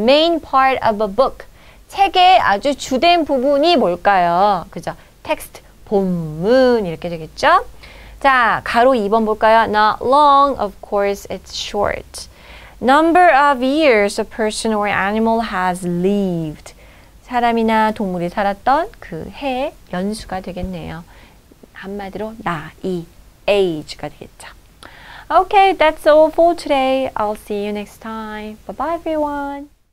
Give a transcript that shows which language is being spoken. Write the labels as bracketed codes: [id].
[en] Main part of a book. [ko] 책의 아주 주된 부분이 뭘까요? 그죠? Text, 본문 이렇게 되겠죠? 자, 가로 2번 볼까요? [en] Not long, of course, it's short. Number of years a person or animal has lived. [ko] 사람이나 동물이 살았던 그 해 연수가 되겠네요. 한마디로 나이, age가 되겠죠. [en] Okay, that's all for today. I'll see you next time. Bye-bye, everyone.